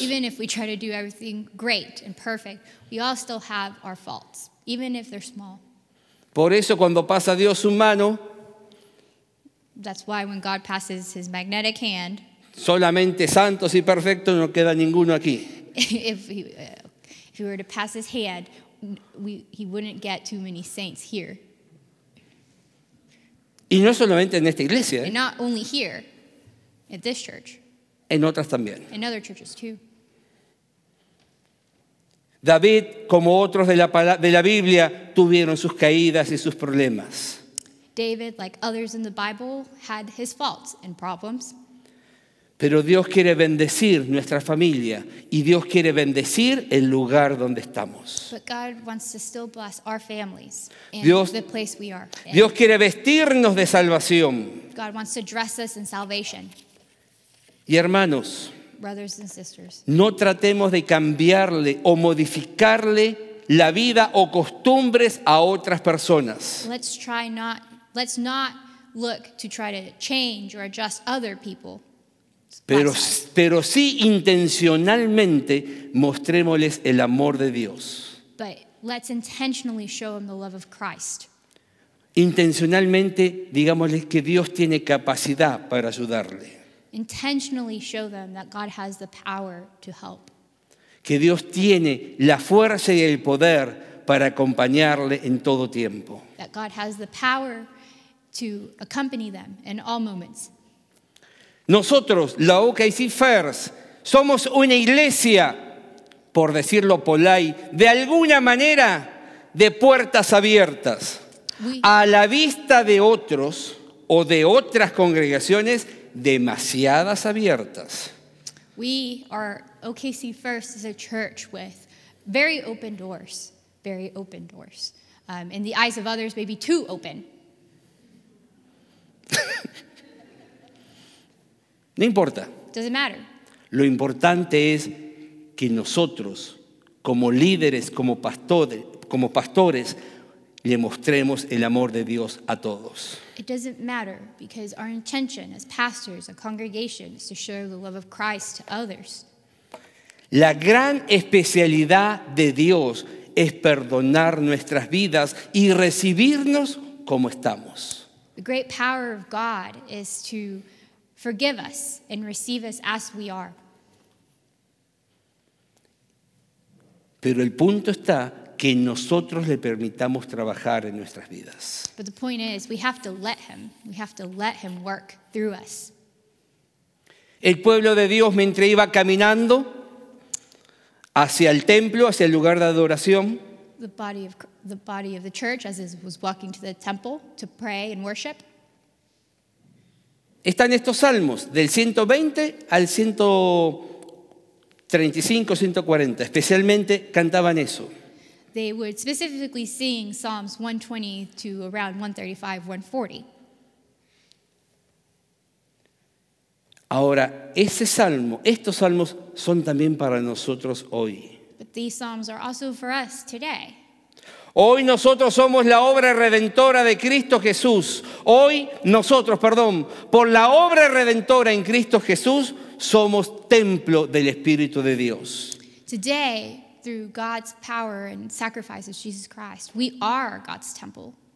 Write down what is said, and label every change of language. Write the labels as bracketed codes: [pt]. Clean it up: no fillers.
[en] Even if we try to do everything great and perfect, we all still have our faults, even if they're small. [es] Por eso cuando pasa Dios su mano, [en] that's why when God passes his magnetic hand, [es] solamente santos y perfectos no queda ninguno aquí. [en] If he were to pass his hand, he wouldn't get too many saints here. [es] Y no solamente en esta iglesia. [en] And not only here. At this church. [es] En otras también. [en] In other churches too. [es] David, como otros de la Biblia, tuvieron sus caídas y sus problemas. [en] David, like others in the Bible, had his faults and problems. [es] Pero Dios quiere bendecir nuestra familia y Dios quiere bendecir el lugar donde estamos. [en] But God wants to still bless our families and Dios, the place we are in. [es] Dios quiere vestirnos de salvación. [en] God wants to dress us in salvation. [es] Y hermanos, [en] brothers and sisters, [es] no tratemos de cambiarle o modificarle la vida o costumbres a otras personas. [en] Let's not look to try to change or adjust other people. [es] Pero sí intencionalmente mostrémosles el amor de Dios. [en] But let's intentionally show them the love of Christ. [es] Intencionalmente digámosles que Dios tiene capacidad para ayudarle. [en] Intentionally show them that God has the power to help. [es] Que Dios tiene la fuerza y el poder para acompañarle en todo tiempo. [en] That God has the power to accompany them in all moments. [es] Nosotros, la OKC First, somos una iglesia, por decirlo polite, de alguna manera, de puertas abiertas. A la vista de otros o de otras congregaciones, demasiadas abiertas. [en] We are OKC First is a church with very open doors. In the eyes of others, maybe too open. [es] No importa. [en] Doesn't matter. [es] Lo importante es que nosotros, como líderes, como pastores, le mostremos el amor de Dios a todos. [en] It doesn't matter because our intention as pastors, a congregation, is to show the love of Christ to others. [es] La gran especialidad de Dios es perdonar nuestras vidas y recibirnos como estamos. [en] The great power of God is to forgive us and receive us as we are. [es] Pero el punto está que nosotros le permitamos trabajar en nuestras vidas. [en] But the point is, we have to let him. We have to let him work through us. [es] El pueblo de Dios, mientras iba caminando hacia el templo, hacia el lugar de adoración, [en] the body of the church, as it was walking to the temple to pray and worship, [es] están estos salmos del 120 al 135, 140. Especialmente cantaban eso. [en] They would specifically sing Psalms 120 to around 135, 140. [es] Ahora, ese salmo, estos salmos son también para nosotros hoy. [en] But these psalms are also for us today. [es] Hoy nosotros somos la obra redentora de Cristo Jesús. Hoy nosotros, perdón, por la obra redentora en Cristo Jesús, somos templo del Espíritu de Dios. [en] Today, through God's power and sacrifice of Jesus Christ, we are God's temple.